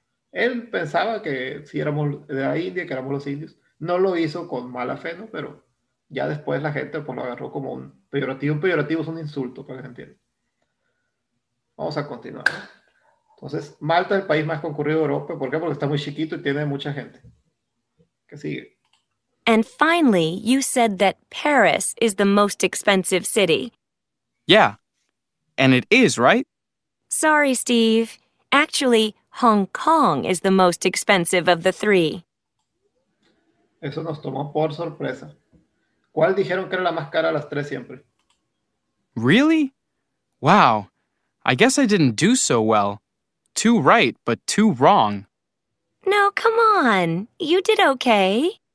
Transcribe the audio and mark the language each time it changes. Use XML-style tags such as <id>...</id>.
<es>Él pensaba que si éramos de la India, que éramos los indios. No lo hizo con mala fe, ¿no? Pero ya después la gente pues, lo agarró como un peyorativo. Un peyorativo es un insulto, para que se entienda. Vamos a continuar. Entonces, Malta es el país más concurrido de Europa. ¿Por qué? Porque está muy chiquito y tiene mucha gente. ¿Qué sigue?</es> <en>And finally, you said that Paris is the most expensive city. Yeah, and it is, right? Sorry, Steve. Actually, Hong Kong is the most expensive of the three.</en> <es>Eso nos tomó por sorpresa. ¿Cuál dijeron que era la más cara de las tres siempre?</es> <en>Really? Wow. I guess I didn't do so well. Too right, but too wrong. No, come on. You did okay.</en>